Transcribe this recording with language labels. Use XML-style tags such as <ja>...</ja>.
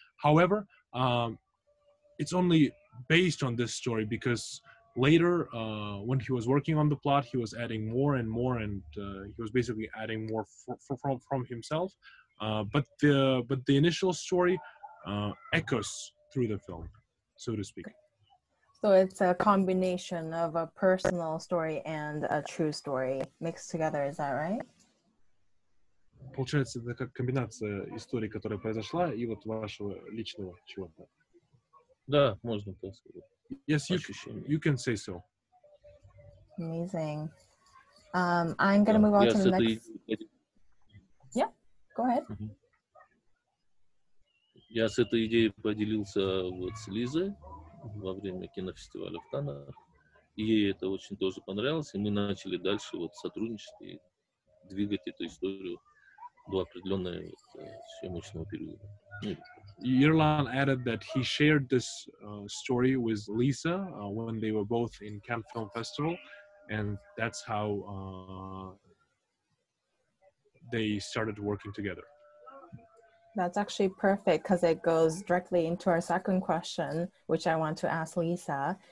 <en>However, it's only based on this story because later when he was working on the plot, he was adding more and more, and he was basically adding more from himself. But the initial story echoes through the film, so to speak. So it's a combination of a personal story and a true story mixed together, is that right?</en> <ru>Получается, это как комбинация истории, которая произошла, и вот вашего личного чего-то. Да, можно так сказать.</ru> <en>Yes, you can say so. Amazing. I'm going to move on to the next... Yeah, go ahead. Uh-huh.</en> <ru>Я с этой идеей поделился вот с Лизой во время кинофестиваля в Каннах. Ей это очень тоже понравилось, и мы начали дальше вот сотрудничать и двигать эту историю до определенного съемочного периода.</ru> <en>Yerlan added that he shared this story with Lisa when they were both in Cannes Film Festival, and that's how they started working together. That's actually perfect because it goes directly into our second question, which I want to ask Lisa.</en>